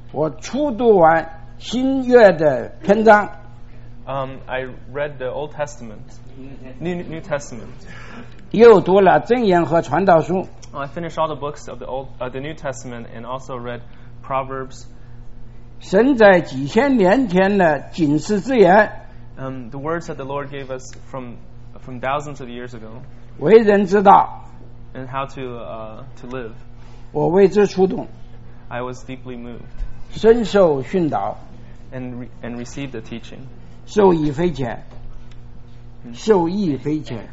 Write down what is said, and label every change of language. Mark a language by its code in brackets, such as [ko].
[zh] 我初读完新约的篇章 [en] I read the Old Testament New Testament [zh] 又读了箴言和传道书 [en] I finished all the books of the New Testament and also read Proverbs. [zh] 神在几千年前的警示之言 [en] The words that the Lord gave us from thousands of years ago. [zh] 为人之道 [en] And how to live. [zh] 我为之触动 [en] I was deeply moved. [zh] 深受训导 [en] And received the teaching. [zh] 受益匪浅受益匪浅